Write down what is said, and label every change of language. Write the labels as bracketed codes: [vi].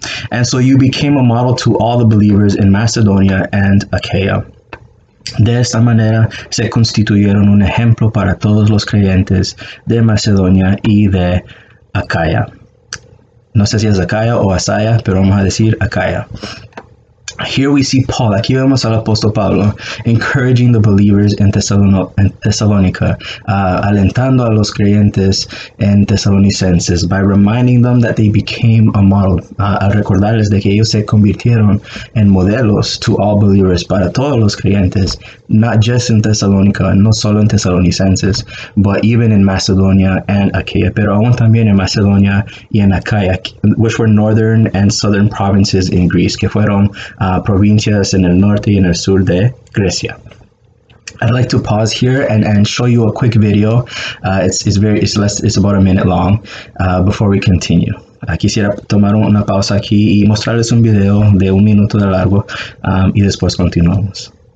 [en] And so you became a model to all the believers in Macedonia and Achaia. [es] De esta manera se constituyeron un ejemplo para todos los creyentes de Macedonia y de Acaia. No sé si es Acaia o Asaya, pero vamos a decir Acaia. [en] Here we see Paul, [es] aquí vemos al apóstol Pablo, [en] encouraging the believers in Thessalonica, [es] alentando a los creyentes en Tesalonicenses, [en] by reminding them that they became a model, [es] al recordarles de que ellos se convirtieron en modelos [en] to all believers, [es] para todos los creyentes, [en] not just in Thessalonica, [es] no solo en Tesalonicenses, [en] but even in Macedonia and Achaia, [es] pero aún también en Macedonia y en Achaia, [en] which were northern and southern provinces in Greece, [es] que fueron provincias en el norte y en el sur de Grecia. [en] I'd like to pause here and show you a quick video. It's about a minute long before we continue. [es] Quisiera tomar una pausa aquí y mostrarles un video de un minuto de largo y después continuamos.